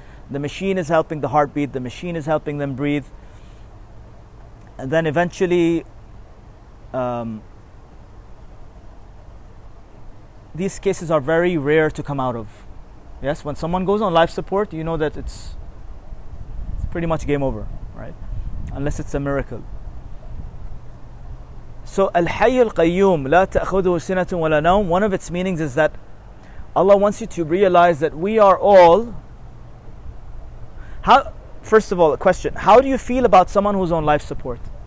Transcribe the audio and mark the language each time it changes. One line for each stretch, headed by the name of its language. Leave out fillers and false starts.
English: The machine is helping the heartbeat, the machine is helping them breathe. And then eventually, these cases are very rare to come out of. Yes, when someone goes on life support, you know that it's pretty much game over, right? Unless it's a miracle.
Arabic: So Al-Hayy Al-Qayyum, لا تأخذه سنة ولا نوم.
English: One of its meanings is that Allah wants you to realize that we are all... How? First of all, a question. How do you feel about someone who's on life support?